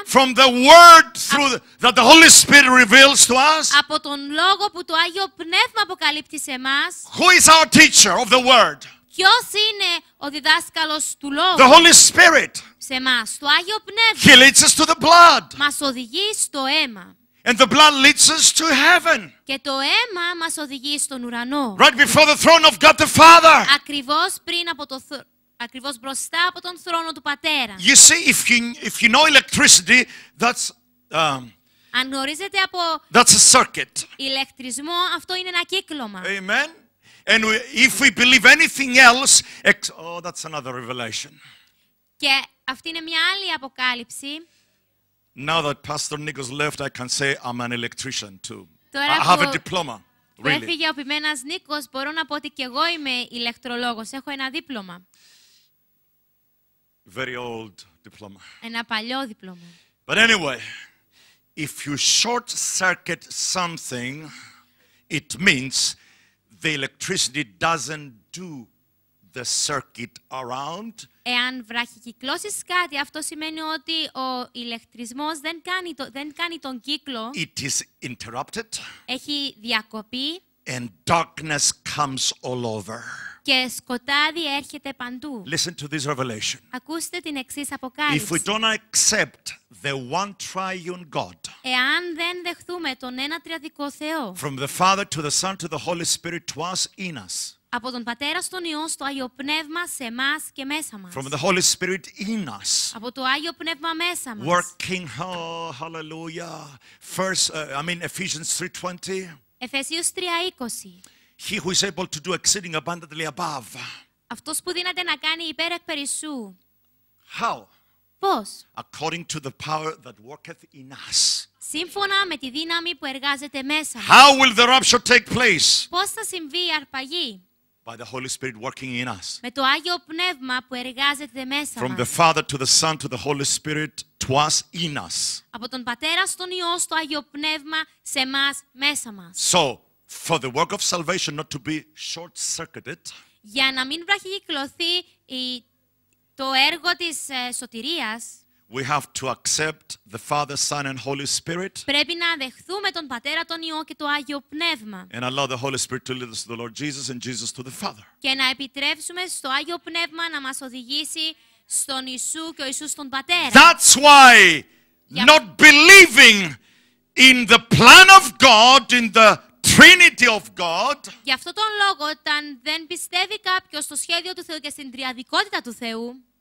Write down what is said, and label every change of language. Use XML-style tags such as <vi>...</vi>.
<en>from the word through that the Holy Spirit reveals to us.</en> <el>Από τον λόγο που το Άγιο Πνεύμα αποκαλύπτει σε μας.</el> <en>Who is our teacher of the word?</en> <el>Ποιος είναι ο διδάσκαλος του λόγου?</el> <en>The Holy Spirit.</en> <el>Σε μας, το Άγιο Πνεύμα.</el> <en>He leads us to the blood.</en> <el>Μας οδηγεί στο αίμα.</el> <en>And the blood leads us to heaven.</en> <el>Και το αίμα μας οδηγεί στον ουρανό.</el> <en>Right before the throne of God the Father.</en> <el>Ακριβώς πριν από το ακριβώς μπροστά από τον θρόνο του Πατέρα.</el> <en>You see, if you know electricity, that's</en> <el>αν γνωρίζετε από</el> <en>that's a circuit.</en> <el>Ηλεκτρισμό, αυτό είναι ένα κύκλωμα.</el> <en>Amen. And if we believe anything else, oh, that's another revelation.</en> <el>Και αυτή είναι μια άλλη αποκάλυψη.</el> <en>Now that Pastor Nikos left, I can say I'm an electrician too. I have a diploma. Really.</en> <el>Έφυγε ο ποιμένας Νίκος, μπορώ να πω ότι και εγώ είμαι ηλεκτρολόγος. Έχω ένα δίπλωμα.</el> <en>Very old diploma.</en> <el>Ένα παλιό δίπλωμα.</el> <en>But anyway, if you short circuit something, it means the electricity doesn't do the circuit around.</en> <el>Εάν βραχυκυκλώσεις κάτι, αυτό σημαίνει ότι ο ηλεκτρισμός δεν κάνει τον κύκλο.</el> <en>It is interrupted.</en> <el>Έχει διακοπή.</el> <en>And darkness comes all over.</en> <el>Και σκοτάδι έρχεται παντού.</el> <en>Listen to this revelation.</en> <el>Ακούστε την εξής αποκάλυψη.</el> <en>If we don't accept the one triune God.</en> <el>Εάν δεν δεχθούμε τον ένα τριαδικό Θεό.</el> <en>From the Father to the Son to the Holy Spirit to us in us.</en> <el>Από τον Πατέρα στον Υιό στο Άγιο Πνεύμα σε μας και μέσα μας.</el> <en>From the Holy Spirit in us.</en> <el>Από το Άγιο Πνεύμα μέσα μας.</el> <en>Working, oh, hallelujah. Ephesians 3:20.</en> <el>Εφεσίους 3:20.</el> <en>He who is able to do exceeding abundantly above.</en> <el>Αυτός που δύναται να κάνει υπέρ εκ περισσού.</el> <en>How?</en> <el>Πώς?</el> <en>According to the power that worketh in us.</en> <el>Σύμφωνα με τη δύναμη που εργάζεται μέσα.</el> <en>How will the rapture take place?</en> <el>Πώς θα συμβεί η αρπαγή?</el> <en>By the Holy Spirit working in us.</en> <el>Με το Άγιο Πνεύμα που εργάζεται μέσα μας.</el> <en>From the Father to the Son to the Holy Spirit to us in us.</en> <el>Από τον Πατέρα στον Υιό στο Άγιο Πνεύμα σε μας μέσα μας.</el> <en>So, for the work of salvation not to be short-circuited.</en> <el>Για να μην βραχυκυκλωθεί το έργο της σωτηρίας.</el> <en>We have to accept the Father, Son, and Holy Spirit.</en> <el>Πρέπει να δεχθούμε τον Πατέρα, τον Υιό και το Άγιο Πνεύμα.</el> <en>And allow the Holy Spirit to lead us to the Lord Jesus and Jesus to the Father.</en> <el>Και να επιτρέψουμε στο Άγιο Πνεύμα να μας οδηγήσει στον Ιησού και ο Ιησούς στον Πατέρα.</el> <en>That's why not believing in the plan of God, in the Trinity of God.</en> <el>Γι' αυτό τον λόγο, όταν δεν πιστεύει κάποιος στο σχέδιο του Θεού και στην τριαδικότητα του Θεού.</el>